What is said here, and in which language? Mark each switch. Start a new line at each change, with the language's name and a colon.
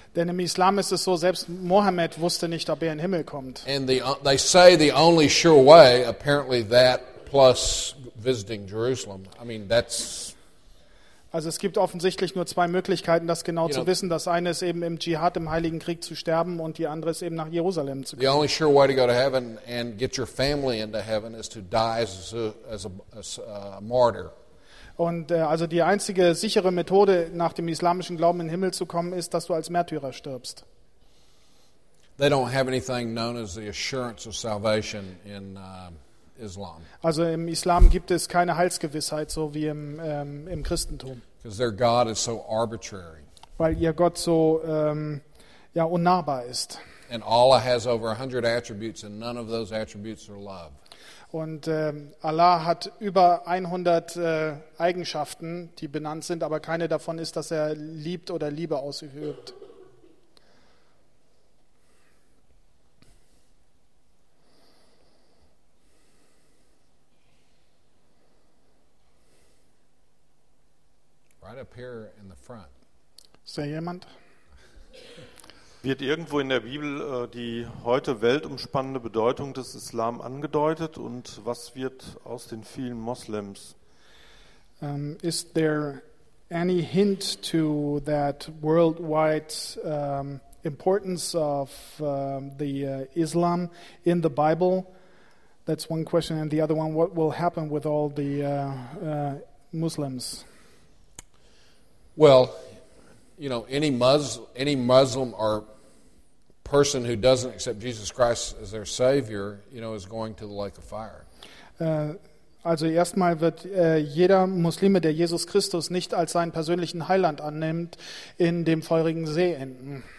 German: Denn im Islam ist es so, selbst Mohammed wusste nicht, ob in den Himmel kommt.
English: And they say the only sure way, apparently that plus visiting Jerusalem. I mean, that's...
German: Also es gibt offensichtlich nur zwei Möglichkeiten, das genau zu wissen. Das eine ist eben im Dschihad, im Heiligen Krieg zu sterben und die andere ist eben nach Jerusalem zu kommen.
English: The only sure way to go to heaven and get your family into heaven is to die as a martyr.
German: Und also die einzige sichere Methode, nach dem islamischen Glauben in den Himmel zu kommen, ist, dass du als Märtyrer stirbst.
English: They don't have anything known as the assurance of salvation in Islam.
German: Also im Islam gibt es keine Heilsgewissheit, so wie im Christentum.
English: Because their God is so arbitrary.
German: Weil ihr Gott so unnahbar ist.
English: And Allah has over 100 attributes and none of those attributes are love.
German: Und Allah hat über 100 Eigenschaften, die benannt sind, aber keine davon ist, dass er liebt oder Liebe ausübt.
English: Right up here in the front.
German: Ist da jemand? Wird irgendwo in der Bibel die heute weltumspannende Bedeutung des Islam angedeutet und was wird aus den vielen Moslems?
English: Is there any hint to that worldwide importance of Islam in the Bible? That's one question. And the other one, what will happen with all the Muslims? Well, you know, any Muslim or person who doesn't accept Jesus Christ as their Savior, you know, is going to the lake of fire.
German: Also erstmal wird jeder Muslime, der Jesus Christus nicht als seinen persönlichen Heiland annimmt, in dem feurigen See enden.